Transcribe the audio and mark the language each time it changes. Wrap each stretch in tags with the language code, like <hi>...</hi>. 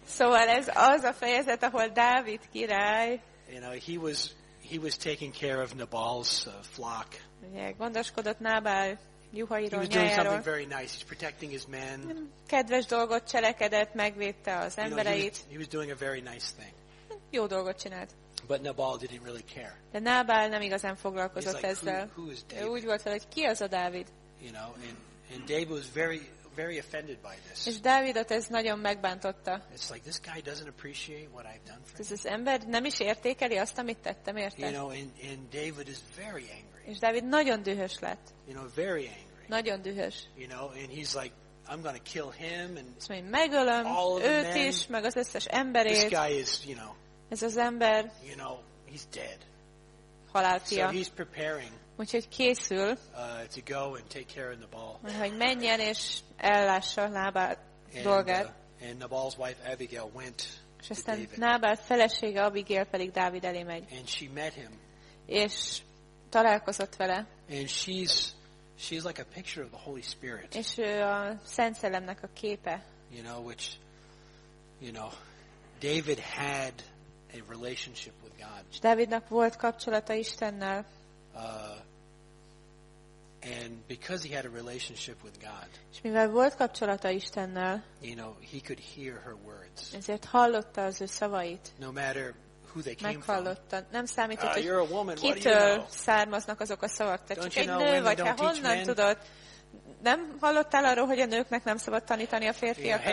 <hu>Szóval ez az a fejezet, ahol Dávid király.</hu> <en>You know, he was taking care of Nabal's flock.</en> <hu>Gondoskodott Nábál.</hu> <en>He was doing something very nice. He's protecting his men.</en> <hu>Kedves dolgot cselekedett, megvédte az embereit.</hu> <en>You know, he was doing a very nice thing.</en> <hu>Jó dolgot csinált.</hu> <en>But Nabal didn't really care.</en> <hu>De Nábál nem igazán foglalkozott ezzel.</hu> <en>Like,</en> <hu>úgy volt vele, hogy ki az a Dávid?</hu> <en>You know, and David was very, very offended by this.</en> <hu>És Dávidot ez nagyon megbántotta.</hu> <en>It's like this guy doesn't appreciate what I've done for him.</en> <hu>Ez az ember nem is értékeli azt, amit tettem érte.</hu> <en>You know, and David is very angry.</en> <hu>És Dávid nagyon dühös lett.</hu> <en>You know, very angry.</en> <hu>Nagyon dühös.</hu> <en>You know, and he's like, I'm gonna kill him and</en> <hu>megölöm őt is, meg az összes emberét.</hu> <en>This guy is, you know,</en> <hu>ez az ember.</hu> <en>You know, he's dead.</en> <hu>Halálfia.</hu> <en>So he's preparing.</en> <hu>Úgyhogy készül.</hu> <en>To go and take care of Nabal.</en> <hu>Hogy menjen és ellássa Nabal dolgát.</hu> <en>And Nabal's wife Abigail went.</en> <hu>És aztán Nábál felesége Abigail pedig Dávid elé megy.</hu> <en>And she met him.</en> <hu>És találkozott vele.</hu> <en>And she's like a picture of the Holy Spirit.</en> <hu>És ő a Szent Szellemnek a képe.</hu> <en>You know, which, you know, David had a relationship with God.</en> <hu>Dávidnak volt kapcsolata Istennel.</hu> <en>And because he had a relationship with God.</en> <hu>És mivel volt kapcsolata Istennel.</hu> <en>You know, he could hear her words.</en> <hu>Ezért hallotta az ő szavait.</hu> <en>No matter who they came from.</en> <hu>Nem számított, hogy</hu> <en>you're a woman,</en> <hu>kitől</hu> <en>you know?</en> <hu>Származnak azok a szavak. Te</hu> <en>don't</en> <hu>csak</hu> <en>you</en> <hu>egy</hu> <en>know</en> <hu>nő vagy, ha honnan tudod? Nem hallottál arról, hogy a nőknek nem szabad tanítani a férfiakat?</hu>